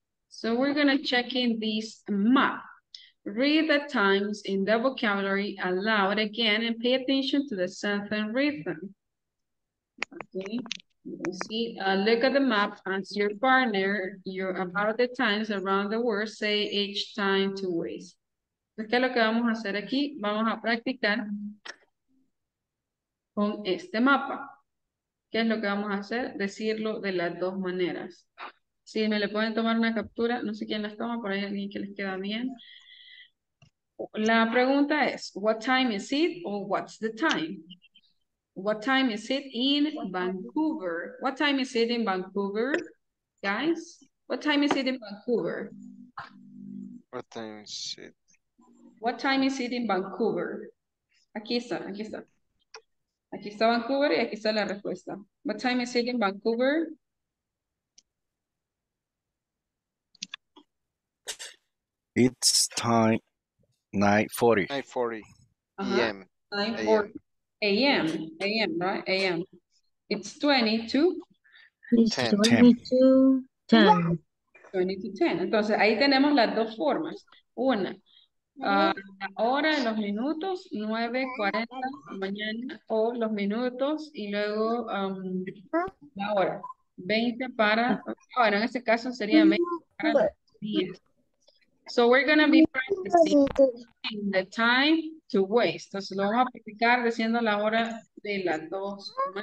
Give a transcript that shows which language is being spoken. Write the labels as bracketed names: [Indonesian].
[English] So we're going to check in this map. Read the times in the vocabulary aloud again and pay attention to the sentence rhythm. Okay, see, look at the map, ask your partner your, about the times around the world, say each time to waste. [Spanish] Entonces, ¿qué es lo que vamos a hacer aquí? Vamos a practicar con este mapa. ¿Qué es lo que vamos a hacer? Decirlo de las dos maneras. Si me le pueden tomar una captura, no sé quién las toma, por ahí alguien que les queda bien. La pregunta es, [English] what time is it or what's the time? What time is it in Vancouver? What time is it in Vancouver, guys? What time is it in Vancouver? What time is it? What time is it in Vancouver? [Spanish] Aquí está, aquí está. Aquí está Vancouver y aquí está la respuesta. [English] What time is it in Vancouver? It's time 9:40. 9:40 a.m. 9:40 a.m. A.m., right? A.m. It's 20 to? 10. 20 to 10. [Spanish] Entonces, ahí tenemos las dos formas. Una, la hora, los minutos, 9:40 mañana, o los minutos, y luego la hora. 20 para, bueno, en este caso sería 20 para 10. [English] So we're going to be practicing the time to waste. [Spanish] Entonces lo vamos a practicar diciendo la hora de las dos.